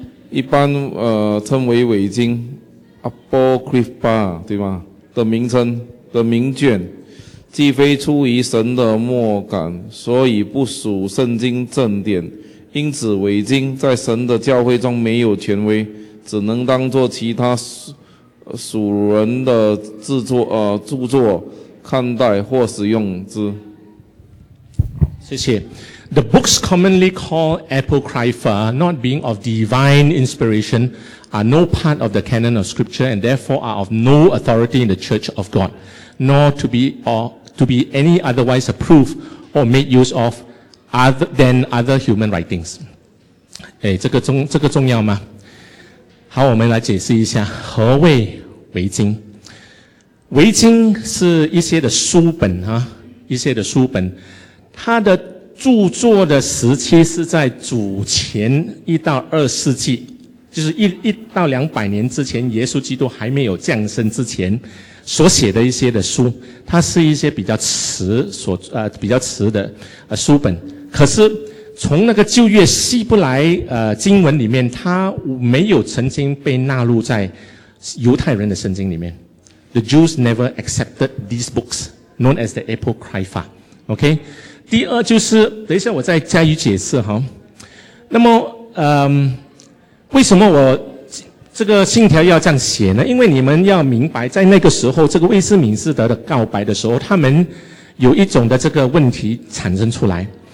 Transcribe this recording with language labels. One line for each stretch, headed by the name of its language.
Chinese: 一般称为伪经 Apocrypha 对吗的名称的名卷，既非出于神的默感，所以不属圣经正典。因此伪经在神的教会中没有权威，只能当作其他属人的著作看待或使用之。谢谢。
English: The books commonly called Apocrypha, not being of divine inspiration, are no part of the canon of scripture and therefore are of no authority in the Church of God, nor to be any otherwise approved or made use of other than other human writings.
Chinese: 诶，这个重要吗？好，我们来解释一下何谓维经。维经是一些的书本啊，一些的书本，它的著作的时期是在主前一到二世纪，就是一到两百年之前，耶稣基督还没有降生之前所写的一些的书，它是一些比较迟的书本。可是从那个旧约希伯来经文里面，它没有曾经被纳入在犹太人的圣经里面。
English: The Jews never accepted these books, known as the Apocrypha. OK?
Chinese: 第二就是，等一下我再加以解释哈。那么，为什么我这个信条要这样写呢？因为你们要明白，在那个时候，这个威斯敏斯德的告白的时候，他们有一种的这个问题产生出来。